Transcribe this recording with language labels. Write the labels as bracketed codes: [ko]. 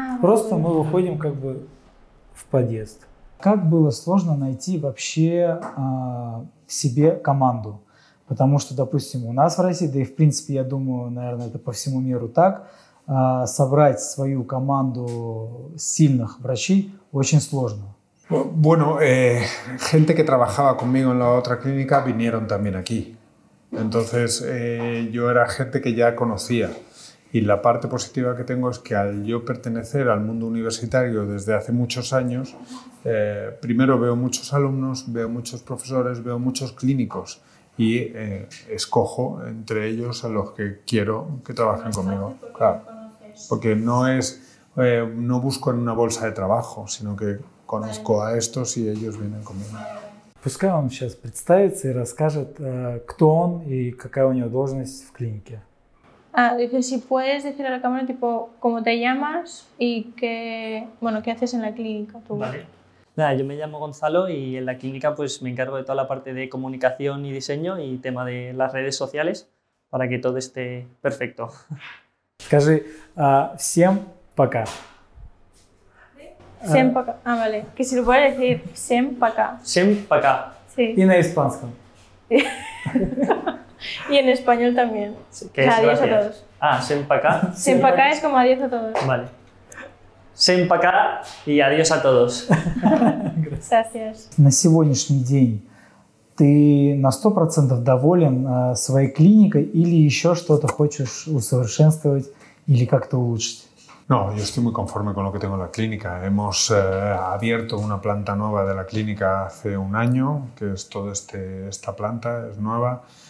[ru] Просто мы выходим как бы в подъезд. Как было сложно найти вообще себе команду? Потому что, допустим, у нас в России, да и в принципе, я думаю, наверное, это по всему миру так, собрать свою команду сильных врачей очень сложно. [es] Bueno, gente que trabajaba conmigo en la otra clínica vinieron también aquí. Entonces, yo era gente que ya conocía. Y la parte positiva que tengo es que al yo pertenecer al mundo universitario desde hace muchos años, primero veo muchos alumnos, veo muchos profesores, veo muchos clínicos y escojo entre ellos a los que quiero que trabajen conmigo. Claro, porque no es, no busco en una bolsa de trabajo, sino que conozco a estos y ellos vienen conmigo. [ru] Пускай он сейчас представится и расскажет, кто он и какая у него должность в клинике. [es] Dices si puedes decir a la cámara tipo cómo te llamas y qué, bueno, qué haces en la clínica tú. Vale. Nada, yo me llamo Gonzalo y en la clínica pues me encargo de toda la parte de comunicación y diseño y tema de las redes sociales para que todo esté perfecto. [ru] Скажи, всем пока. Всем пока. [es] Ah, vale. Que si lo puedes decir, [ru] всем пока. Всем пока. [es] Sí. Y en español. Y en español también. Que es, adiós gracias a todos. [ru] Ah, всем пока. Всем пока [es] es como adiós a todos. Vale. [ru] Всем пока [es] y adiós a todos. Gracias. [ru] На сегодняшний день ты на 100% доволен своей клиникой или еще что-то хочешь усовершенствовать или как-то улучшить? [es] No, yo estoy muy conforme con lo que tengo en la clínica. Hemos abierto una planta nueva de la clínica hace un año, que es toda esta planta, es nueva.